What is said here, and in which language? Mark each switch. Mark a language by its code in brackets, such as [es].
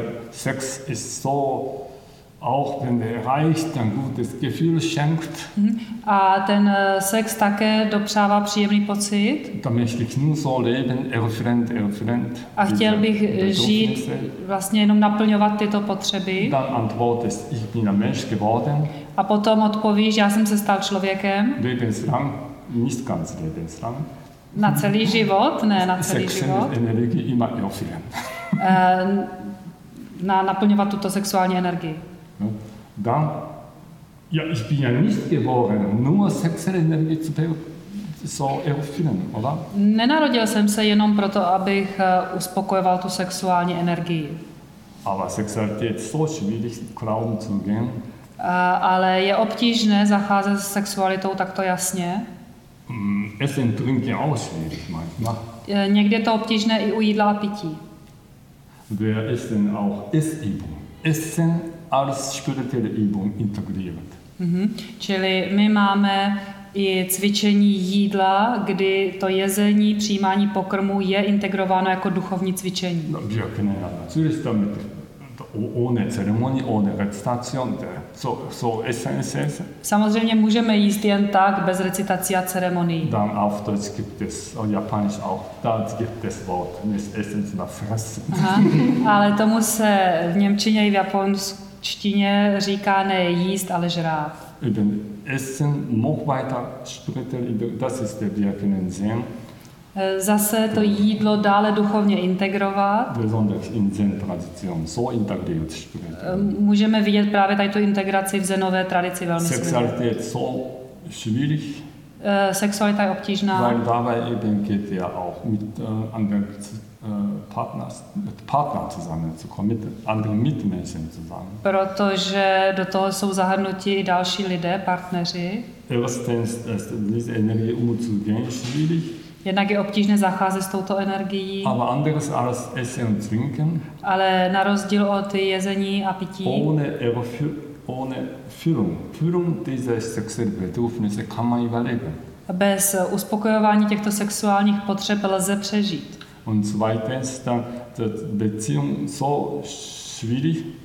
[de] Sex ist so, auch wenn er reicht, ein gutes Gefühl schenkt. [cs] A ten Sex také dopřává příjemný pocit. [de] Da möchte ich nur so leben, erfüllend, erfüllend. [cs] A chtěl bych žít, vlastně jenom naplňovat tyto potřeby. [de] Dann antwortest, ich bin ein Mensch geworden. [cs] A potom odpovíš, já jsem se stal člověkem. [de] Lebenslang, nicht ganz lebenslang. [cs] Na celý život, ne na celý [de] Sex [cs] život. [de] Sex energie immer erfüllend. [cs] Na naplňovat tuto sexuální energii. [de] No, dann, ja, ich bin ja nicht geboren, nur sexuelle Energie zu so erfüllen, oder? [cs] Nenarodil jsem se jenom proto, abych uspokojoval tu sexuální energii. [de] Aber Sexualität so schwierig, glauben zu gehen. [cs] Ale je obtížné zacházet s sexualitou takto jasně. [de] Essen, trinken auch schwierig manchmal. [cs] Někdy je to obtížné i u jídla a pití. [de] Wer essen auch Essübung. Essen als spirituelle Übung integriert. [cs] Čili my máme i cvičení jídla, kdy to jezení, přijímání pokrmu je integrováno jako duchovní cvičení. [de] No, wir können ja natürlich damit ohne Zeremonie, ohne Rezitation, so essen, essen. [cs] Samozřejmě můžeme jíst jen tak, bez recitací a ceremonií. [de] Dann auf Deutsch gibt es, auf Japanisch auch, da gibt es Wort, nicht essen, sondern fressen. [cs] Ale tomu se v němčině i v japonsku čtině říká ne jíst, ale žrát. [de] Eben essen noch weiter spirituell integrieren, das ist der wirkenden Zen. [cs] Zase to jídlo dále duchovně integrovat. [de] Besonders in Zen Tradition so integriert spirituell. [cs] Můžeme vidět právě tady tu integraci v zenové tradici velmi silně. [de] Sexualität so schwierig. [cs] Sexualita je obtížná. [de] Weil dabei eben geht ja auch mit anderen Partners, mit Partnern zusammen zu kommen, mit anderen Mitmenschen zusammen. [cs] Protože do toho jsou zahrnuti i další lidé, partneři. [de] Erstens ist diese Energie umzugehen schwierig. [cs] Jednak je obtížné zacházet s touto energií. [de] Aber anderes als essen und trinken. [cs] Ale na rozdíl od jezení a pití. [de] Ohne Erfüllung. Führung dieser sexuellen Bedürfnisse kann man überleben. [cs] Bez uspokojování těchto sexuálních potřeb lze přežít. [de] Und zweitens, dann die Beziehung so schwierig.